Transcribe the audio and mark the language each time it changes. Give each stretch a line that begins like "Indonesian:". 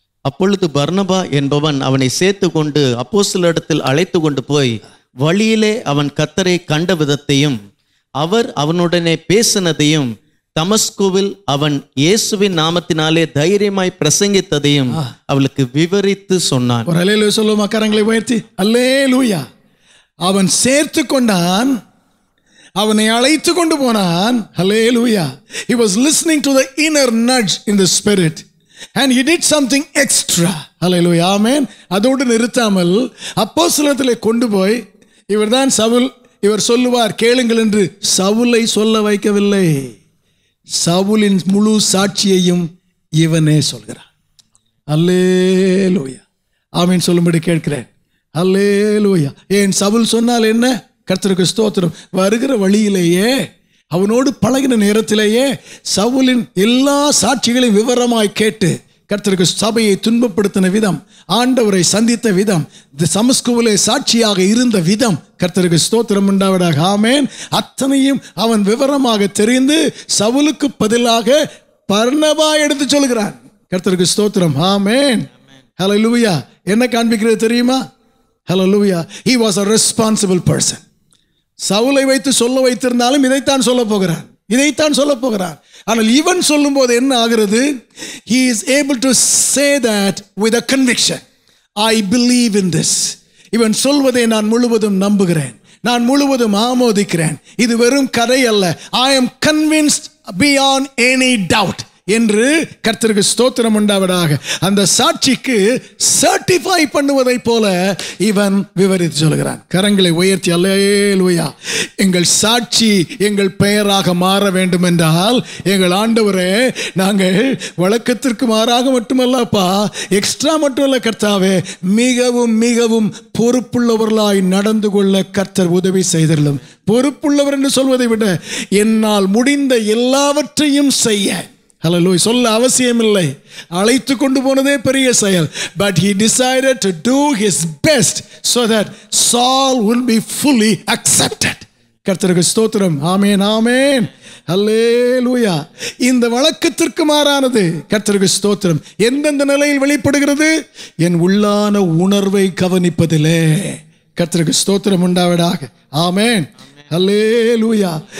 Tamil: அப்பொழுது பர்னபா என்பவன் அவனை சேர்த்து கொண்டு அப்போஸ்தலரிடத்தில் அழைத்து கொண்டு போய், வழியிலே அவன் கர்த்தரை கண்ட விதத்தையும் அவர் அவனுடனே பேசினதையும் தமஸ்குவில் அவன் இயேசுவின் நாமத்தினாலே தைரியமாய் பிரசங்கித்ததையும் அவளுக்கு விவரித்து சொன்னான். அவன் சேர்த்து கொண்டான், அவனை அழைத்து கொண்டு போனான்.
English: And he did something extra. Hallelujah. Amen.
Tamil: அதோடு நிறுத்தாமல் அப்போஸ்தலத்திலே கொண்டு போய், இவர் தான் சவுல், இவர் சொல்லுவார் கேளுங்கள் என்று சவுலை சொல்ல வைக்கவில்லை. சவுலின் முழு சாட்சியையும் இவனே சொல்கிறான். அல்லேலூயா. ஆமென் சொல்லும்படி கேட்கிறேன். அல்லேலூயா. ஏன் சவுல் சொன்னால் என்ன? கர்த்தருக்கு ஸ்தோத்திரம். வருகிற வழியிலேயே, அவனோடு பழகின நேரத்திலேயே சவுலின் எல்லா சாட்சிகளையும் விவரமாய் கேட்டு, கர்த்தருக்கு சபையை துன்பப்படுத்தின விதம், ஆண்டவரை சந்தித்த விதம், சமஸ்குவிலே சாட்சியாக இருந்த விதம், கர்த்தருக்கு ஸ்தோத்திரம் உண்டாவதாக. ஆமேன். அத்தனையும் அவன் விவரமாக தெரிந்து சவுலுக்கு பதிலாக பர்னபா எடுத்து சொல்கிறான். கர்த்தருக்கு ஸ்தோத்திரம். ஆமேன். ஹல்லேலூயா. என்ன காண்பிக்கிறது தெரியுமா? ஹல்லேலூயா.
English: He was a responsible person.
Tamil: சவுலை வைத்து சொல்ல வைத்திருந்தாலும் இதைத்தான் சொல்ல போகிறான், இதைத்தான் சொல்ல போகிறான். ஆனால் இவன் சொல்லும் போது என்ன ஆகிறது?
English: He is able to say that with a conviction. I believe in this.
Tamil: இவன் சொல்வதை நான் முழுவதும் நம்புகிறேன், நான் முழுவதும் ஆமோதிக்கிறேன், இது வெறும் கதை அல்ல, I am convinced beyond any doubt என்று கர்த்தருக்கு ஸ்தோத்திரம் உண்டாவதாக. அந்த சாட்சிக்கு சர்டிஃபை பண்ணுவதை போல இவன் விவரித்து சொல்கிறான். கரங்களை உயர்த்தி அல்லேலூயா, எங்கள் சாட்சி எங்கள் பெயராக மாற வேண்டும் என்றால், எங்கள் ஆண்டவரே நாங்கள் வழக்கத்திற்கு மாறாக மட்டுமல்லப்பா, எக்ஸ்ட்ரா மட்டுமல்ல கர்த்தாவே, மிகவும் மிகவும் பொறுப்புள்ளவர்களாய் நடந்து கொள்ள கர்த்தர் உதவி செய்திடலும். பொறுப்புள்ளவர் என்று சொல்வதை விட என்னால் முடிந்த எல்லாவற்றையும் செய்ய Hallelujah. சொல்ல அவசியம் இல்லை, அழைத்து கொண்டு போனதே பெரிய செயல்.
English: But he decided to do his best so that Saul will be fully accepted.
Tamil: கர்த்தருக்கு ஸ்தோத்திரம், ஆமென் ஆமென், ஹல்லேலூயா. இந்த வழக்கத்திற்கு மாறானது, கர்த்தருக்கு ஸ்தோத்திரம், எந்தெந்த நிலையில் வெளிப்படுகிறது? என் உள்ளான உணர்வை கவனிப்பதிலே. கர்த்தருக்கு ஸ்தோத்திரம் உண்டாவதாக, ஆமென். ஹல்லேலூயா.